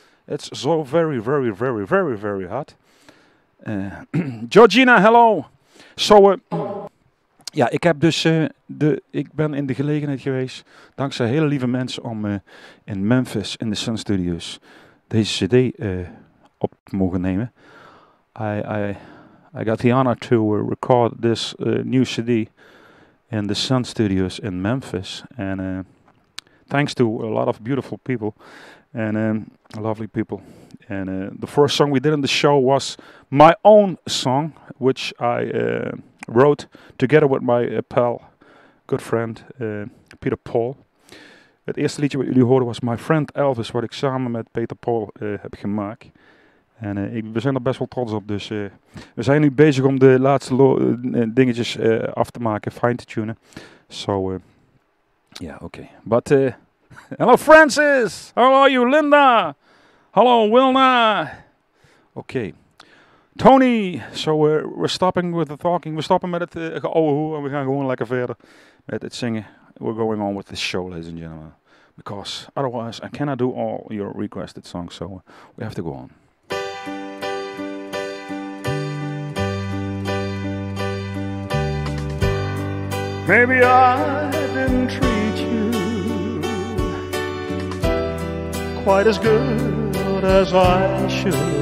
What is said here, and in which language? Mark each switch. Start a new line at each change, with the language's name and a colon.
English: It's so very, very, very, very, very hot. Georgina, hello.
Dutch: So, ja, ik heb dus ik ben in de gelegenheid geweest, dankzij hele lieve mensen, om in Memphis, in de Sun Studios, deze cd op te mogen nemen.
English: I got the honor to record this new cd in the Sun Studios in Memphis. And thanks to a lot of beautiful people and lovely people. And the first song we did in the show was my own song, which I wrote together with my pal, good friend, Peter Paul.
Dutch: Het eerste liedje wat jullie hoorden was My Friend Elvis, wat ik samen met Peter Paul heb gemaakt. En we zijn er best wel trots op, dus we zijn nu bezig om de laatste dingetjes af te maken, fine te tunen.
English: So, yeah, okay. But, hello Francis! How are you, Linda? Hello, Wilna! Okay. Tony! So, we're stopping
Dutch: met het geouwehoe en we gaan gewoon lekker verder met het zingen.
English: We're going on with the show, ladies and gentlemen. Because otherwise, I cannot do all your requested songs, so we have to go on. Maybe I didn't treat you quite as good as I should.